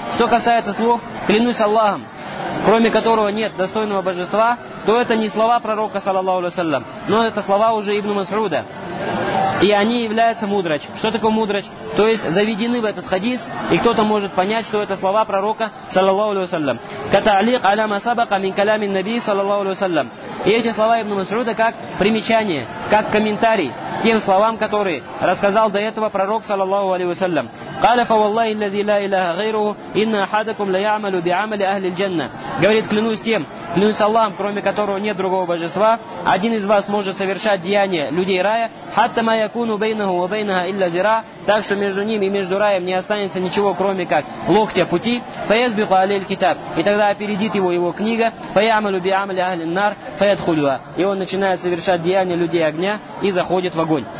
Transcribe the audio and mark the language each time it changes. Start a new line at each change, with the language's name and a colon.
Russian: Что касается слов «клянусь Аллахом», кроме которого нет достойного божества, то это не слова пророка, саллаллаху алейхи ва саллям, но это слова уже ибн Мас'уда. И они являются мудрач. Что такое мудрач? То есть заведены в этот хадис, и кто-то может понять, что это слова пророка, саллаллаху алейхи ва саллям.
Arabic: كَتَعْلِقْ عَلَى مَا سَبَقَ مِنْ كَلَامِ النَّبِي саллаллаху алейхи ва саллям.
Russian: И эти слова ибн Мас'уда как примечание, как комментарий тем словам, которые рассказал до этого пророк, саллаллаху алейхи ва саллям.
Arabic: قال فوالله الذي لا إله غيره إن أحدكم لا يعمل بعمل أهل الجنة.
Russian: Говорит, клянусь Аллахом, кроме которого нет другого божества, один из вас может совершать деяния людей рая,
Arabic: حتى ما يكون بينه وبينها إلا ذراع,
Russian: так что между ним и между раем не останется ничего, кроме как локтя пути.
Arabic: فيسبق عليه الكتاب,
Russian: и тогда опередит его книга.
Arabic: فيعمل بعمل أهل النار فيدخلها,
Russian: и он начинает совершать деяния людей огня и заходит в огонь.